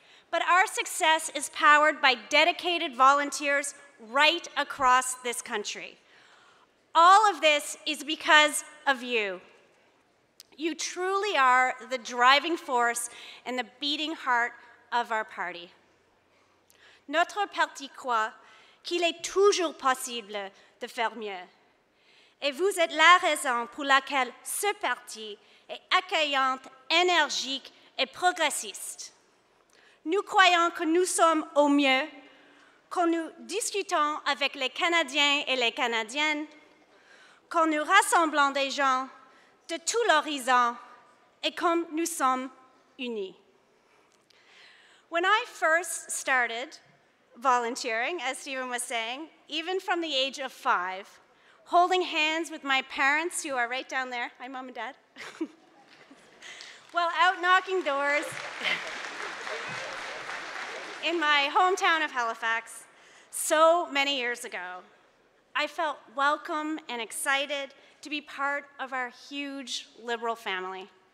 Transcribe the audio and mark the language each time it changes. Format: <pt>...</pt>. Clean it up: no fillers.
<en>But our success is powered by dedicated volunteers right across this country. All of this is because of you. You truly are the driving force and the beating heart of our party.</en> <fr>Notre parti croit qu'il est toujours possible de faire mieux. Et vous êtes la raison pour laquelle ce parti est accueillante, énergique et progressiste. Nous croyons que nous sommes au mieux quand nous discutons avec les Canadiens et les Canadiennes, quand nous rassemblons des gens de tout l'horizon et quand nous sommes unis.</fr> <en>When I first started volunteering, as Stephen was saying, even from the age of 5, holding hands with my parents, who are right down there, hi mom and dad, while out knocking doors in my hometown of Halifax so many years ago, I felt welcome and excited to be part of our huge Liberal family.</en>